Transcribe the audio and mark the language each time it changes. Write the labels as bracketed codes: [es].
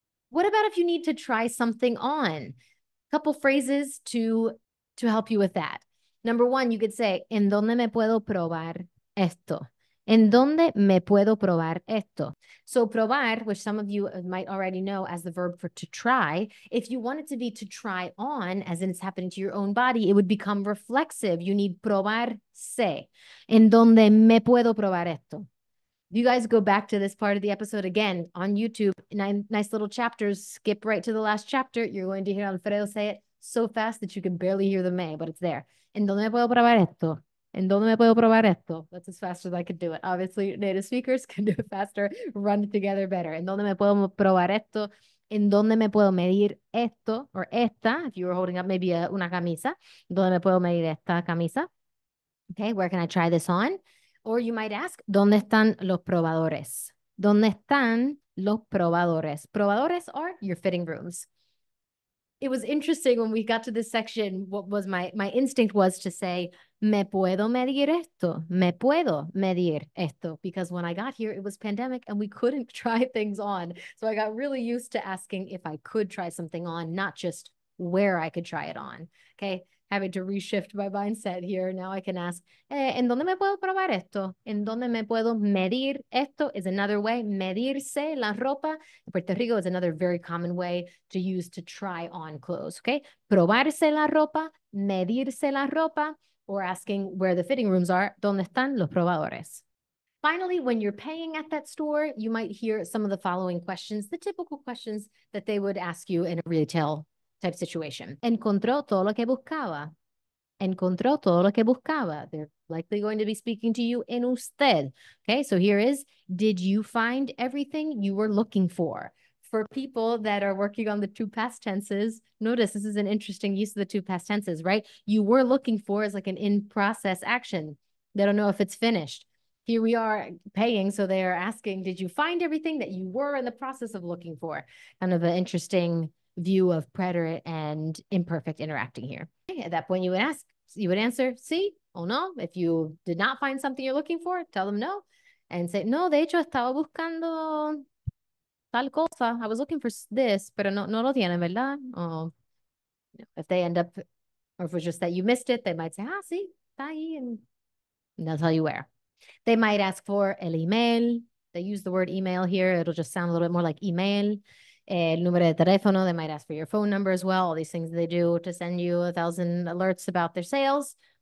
[en] What about if you need to try something on? A couple phrases to help you with that. [es] Number one, you could say, ¿En dónde me puedo probar esto? ¿En dónde me puedo probar esto? [en] So probar, which some of you might already know as the verb for to try, if you want it to be to try on, as in it's happening to your own body, it would become reflexive. You need probarse. [es] ¿En dónde me puedo probar esto? [en] You guys go back to this part of the episode again on YouTube, nice little chapters, skip right to the last chapter. You're going to hear Alfredo say it so fast that you can barely hear the May, but it's there. [es] ¿En dónde puedo probar esto? ¿En dónde me puedo probar esto? [en] That's as fast as I can do it. Obviously, native speakers can do it faster, run together better. [es] ¿En dónde me puedo probar esto? ¿En dónde me puedo medir esto or esta? [en] If you were holding up maybe [es] una camisa. ¿En dónde me puedo medir esta camisa? [en] Okay, where can I try this on? Or you might ask, [es] ¿dónde están los probadores? ¿Dónde están los probadores? [en] Probadores are your fitting rooms. It was interesting when we got to this section, what was my instinct was to say, [es] ¿me puedo medir esto? ¿Me puedo medir esto? [en] Because when I got here, it was pandemic and we couldn't try things on. So I got really used to asking if I could try something on, not just where I could try it on. Okay. Having to reshift my mindset here. Now I can ask, [es] ¿en dónde me puedo probar esto? ¿En dónde me puedo medir esto? Is another way, medirse la ropa. [en] In Puerto Rico is another very common way to use to try on clothes, okay? [es] Probarse la ropa, medirse la ropa, [en] or asking where the fitting rooms are, [es] ¿dónde están los probadores? [en] Finally, when you're paying at that store, you might hear some of the following questions, the typical questions that they would ask you in a retail type situation. [es] Encontró todo lo que buscaba. Encontró todo lo que buscaba. [en] They're likely going to be speaking to you [es] en usted. [en] Okay, so here is, did you find everything you were looking for? For people that are working on the two past tenses, notice this is an interesting use of the two past tenses, right? You were looking for is like an in-process action. They don't know if it's finished. Here we are paying, so they are asking, did you find everything that you were in the process of looking for? Kind of an interesting view of preterite and imperfect interacting here. Okay, at that point, you would answer, [es] sí o no. [en] If you did not find something you're looking for, tell them no and say, [es] no, de hecho, estaba buscando tal cosa. [en] I was looking for this, [es] pero no lo tienen, ¿verdad? [en] Oh, no. If they end up, or if it's just that you missed it, they might say, [es] ah, sí, está ahí, [en] and they'll tell you where. They might ask for el email. They use the word email here. It'll just sound a little bit more like email. [es] El número de teléfono, [en] they might ask for your phone number as well, all these things they do to send you 1,000 alerts about their sales.